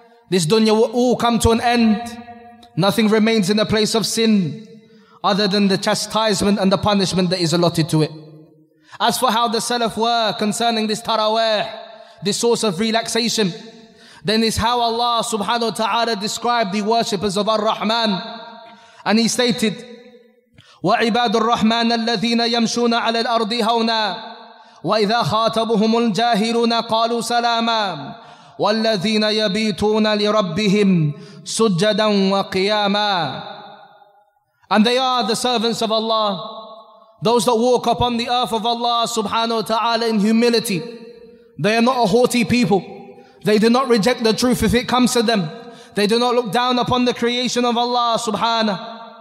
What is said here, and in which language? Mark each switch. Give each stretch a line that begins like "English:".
English: This dunya will all come to an end. Nothing remains in the place of sin, other than the chastisement and the punishment that is allotted to it. As for how the Salaf were concerning this Taraweeh, this source of relaxation, then is how Allah subhanahu wa ta'ala described the worshippers of Ar-Rahman. And he stated,
Arabic: وَعِبَادُ الرَّحْمَنَ الَّذِينَ يَمْشُونَ عَلَى الْأَرْضِ هَوْنَا وَإِذَا خَاتَبُهُمُ الْجَاهِلُونَ قَالُوا سَلَامًا وَالَّذِينَ يَبِيتُونَ لِرَبِّهِمْ سُجَّدًا وَقِيَامًا.
English: And they are the servants of Allah, those that walk upon the earth of Allah subhanahu wa ta'ala in humility. They are not a haughty people. They do not reject the truth if it comes to them. They do not look down upon the creation of Allah subhanahu.